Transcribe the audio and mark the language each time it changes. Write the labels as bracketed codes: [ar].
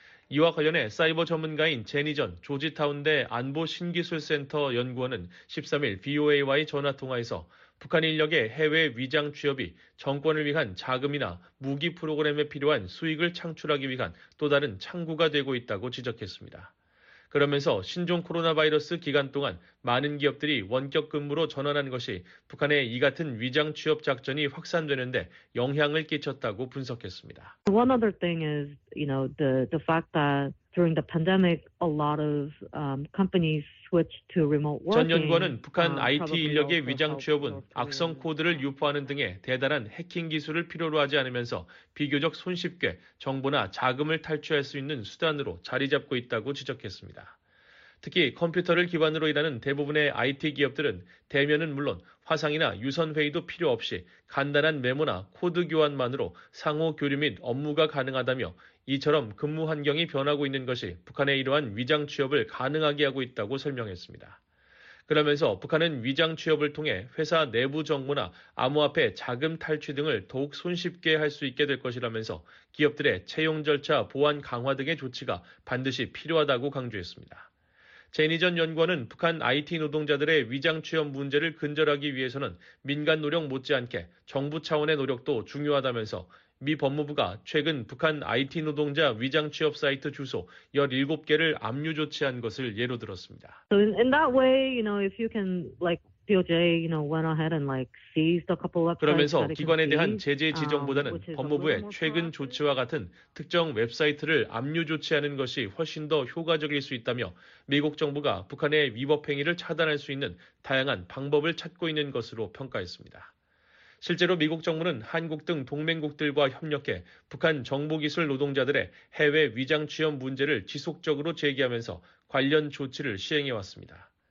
[ko] 이와 관련해 사이버 전문가인 제니전 조지타운대 안보신기술센터 연구원은 13일 VOA와의 전화통화에서 북한 인력의 해외 위장 취업이 정권을 위한 자금이나 무기 프로그램에 필요한 수익을 창출하기 위한 또 다른 창구가 되고 있다고 지적했습니다. 그러면서 신종 코로나 바이러스 기간 동안 많은 기업들이 원격 근무로 전환한 것이 북한의 이 같은 위장 취업 작전이 확산되는데 영향을 끼쳤다고 분석했습니다. [en] One other thing is, you know, the fact that during the pandemic, a lot of companies switched to remote working. [ko] 전 연구원은 북한 IT 인력의 위장 취업은 악성 코드를 유포하는 등의 대단한 해킹 기술을 필요로 하지 않으면서 비교적 손쉽게 정보나 자금을 탈취할 수 있는 수단으로 자리 잡고 있다고 지적했습니다. 특히 컴퓨터를 기반으로 일하는 대부분의 IT 기업들은 대면은 물론 화상이나 유선 회의도 필요 없이 간단한 메모나 코드 교환만으로 상호 교류 및 업무가 가능하다며 이처럼 근무 환경이 변하고 있는 것이 북한의 이러한 위장 취업을 가능하게 하고 있다고 설명했습니다. 그러면서 북한은 위장 취업을 통해 회사 내부 정보나 암호화폐 자금 탈취 등을 더욱 손쉽게 할 수 있게 될 것이라면서 기업들의 채용 절차 보안 강화 등의 조치가 반드시 필요하다고 강조했습니다. 제니 전 연구원은 북한 IT 노동자들의 위장 취업 문제를 근절하기 위해서는 민간 노력 못지않게 정부 차원의 노력도 중요하다면서 미 법무부가 최근 북한 IT 노동자 위장 취업 사이트 주소 17개를 압류 조치한 것을 예로 들었습니다. [en] So in that way, you know, if you can like DOJ, you know, went ahead and like seized a couple of [ko] 그러면서 기관에 대한 제재 지정보다는 법무부의 최근 조치와 같은 특정 웹사이트를 압류 조치하는 것이 훨씬 더 효과적일 수 있다며 미국 정부가 북한의 위법 행위를 차단할 수 있는 다양한 방법을 찾고 있는 것으로 평가했습니다. 실제로 미국 정부는 한국 등 동맹국들과 협력해 북한 정보기술 노동자들의 해외 위장 취업 문제를 지속적으로 제기하면서 관련 조치를 시행해왔습니다.